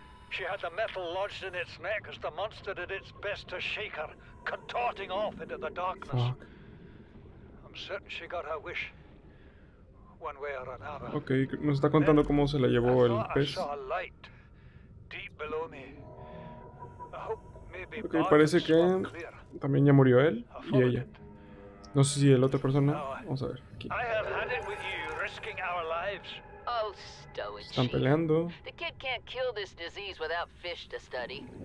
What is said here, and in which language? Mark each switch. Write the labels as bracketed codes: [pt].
[en] She had the metal lodged in its neck as the monster did its best to shake her, contorting off into the darkness. Fuck. I'm certain she got her wish, one way or another. [es] Okay, nos está contando cómo se la llevó el pez. [en] I saw a light deep below me. I hope maybe [es] okay, parece que también ya murió él y ella. No sé si el otra persona. Vamos a ver. Aquí. [en] I have had it with you, risking our lives. [es] Están peleando. [en] The kid can't kill this disease without fish to study.